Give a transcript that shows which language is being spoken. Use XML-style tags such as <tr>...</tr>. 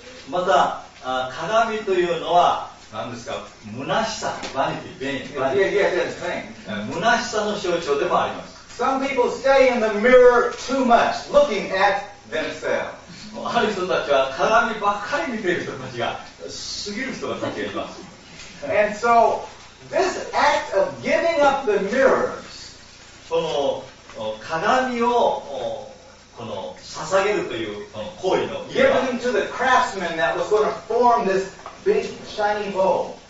<ja>また鏡というのは何ですか、虚しさ、バニティ、ベニティ、 yeah, yeah, yeah, 虚しさの象徴でもあります。</ja> <en>Some people stay in the mirror too much, looking at themselves.</en> <ja>ある人たちは鏡ばっかり見ている人たちが過ぎる人がたくさんいます。</ja> <en>And so this act of giving up the mirrors,</en> <ja>この鏡をこの捧げるというこの行為の</ja> <en>Giving to the craftsman that was going to form this big shiny bowl.</en>